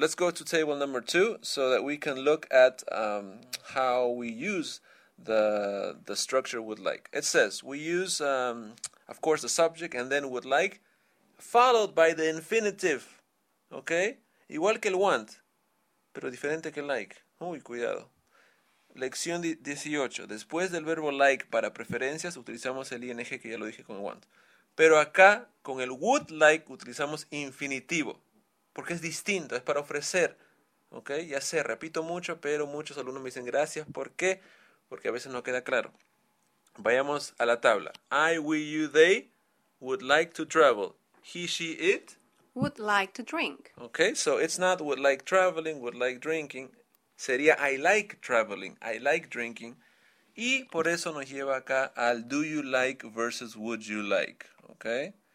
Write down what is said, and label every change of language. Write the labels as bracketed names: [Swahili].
[English] Let's go to table number 2 so that we can look at how we use the structure would like. It says, we use, of course, the subject and then would like, followed by the infinitive. Okay? [Spanish] Igual que el want, pero diferente que like. Uy, cuidado. Lección 18. Después del verbo like para preferencias, utilizamos el ing que ya lo dije con el want. Pero acá, con el would like, utilizamos infinitivo. Porque es distinto, es para ofrecer, ¿ok? Ya sé, repito mucho, pero muchos alumnos me dicen gracias, ¿por qué? Porque a veces no queda claro. Vayamos a la tabla. [English] I, we, you, they would like to travel. He, she, it would like to drink. Ok, so it's not would like traveling, would like drinking. [Spanish] Sería [English] I like traveling, I like drinking. [Spanish] Y por eso nos lleva acá al [English] do you like versus would you like, [Spanish] ¿ok?